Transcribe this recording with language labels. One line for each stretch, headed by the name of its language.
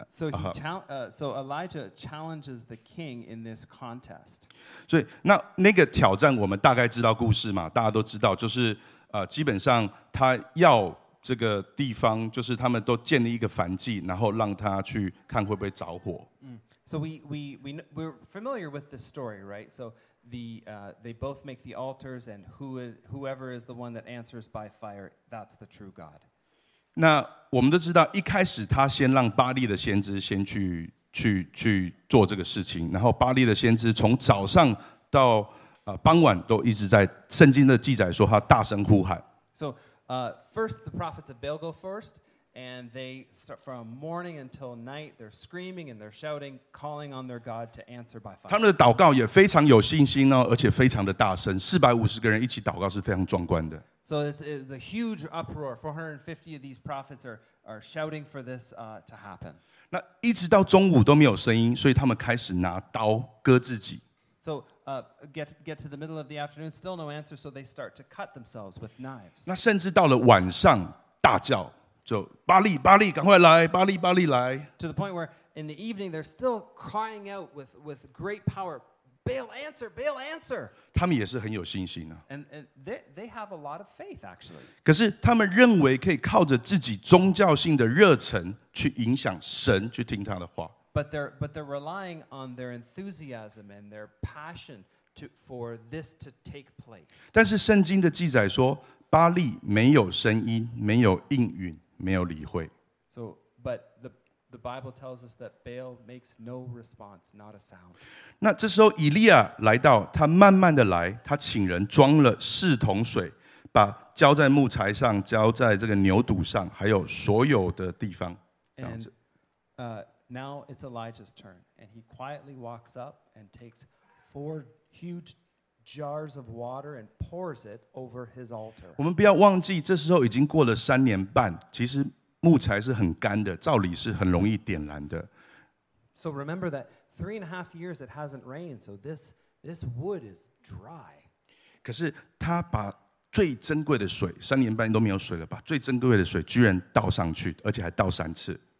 English: So Elijah challenges the king in this contest.
Chinese: 所以那个挑战，我们大概知道故事嘛？大家都知道，就是基本上他要这个地方，就是他们都建立一个燔祭，然后让他去看会不会着火。
English: So we're familiar with this story, right? So they both make the altars, and whoever is the one that answers by fire, that's the true God.
Chinese: 那我们都知道，一开始他先让巴利的先知先去做这个事情，然后巴利的先知从早上到傍晚都一直在圣经的记载说他大声呼喊。
English: So, first the prophets of Baal go first, And they start from morning until night, they're screaming and they're shouting, calling on their God to answer by fire.
Chinese: 他们的祷告也非常有信心哦，而且非常的大声。 450个人一起祷告是非常壮观的。
English: So it's a huge uproar. 450 of these prophets are shouting for this to happen.
Chinese: 那一直到中午都没有声音，所以他们开始拿刀割自己。
English: So get to the middle of the afternoon, still no answer. So they start to cut themselves with knives.
Chinese: 那甚至到了晚上大叫。就巴利巴利赶快来巴利巴利来
English: To the point where in the evening they're still crying out with great power, Baal answer, Baal answer.
Chinese: 他们也是很有信心啊。
English: And they have a lot of faith actually.
Chinese: 可是他们认为可以靠着自己宗教性的热忱去影响神去听他的话。
English: But they're relying on their enthusiasm and their passion for this to take place.
Chinese: 但是圣经的记载说巴利没有声音没有应允。没有理会。
English: So, but the Bible tells us that Baal makes no response, not a sound.
Chinese: 那这时候以利亚来到，他慢慢的来，他请人装了四桶水，把浇在木材上，浇在这个牛肚上，还有所有的地方。
English: And now it's Elijah's turn, and he quietly walks up and takes four huge jars of water and pours it over his altar.
Chinese: 我们不要忘记，这时候已经过了三年半。其实木材是很干的，照理是很容易点燃的。
English: So remember that 3.5 years it hasn't rained, so this wood is dry.
Chinese: 可是他把最珍贵的水，三年半都没有水了，把最珍贵的水居然倒上去，而且还倒三次。